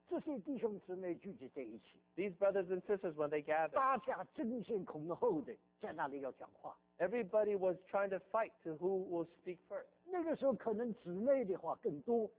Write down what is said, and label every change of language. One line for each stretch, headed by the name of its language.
Chinese: 这些弟兄姊妹聚集在一起,
English: these brothers and sisters, when they gathered,
Chinese: 大家争先恐后的,
English: everybody was trying to fight to who will speak first.
Chinese: 那个时候可能姊妹的话更多,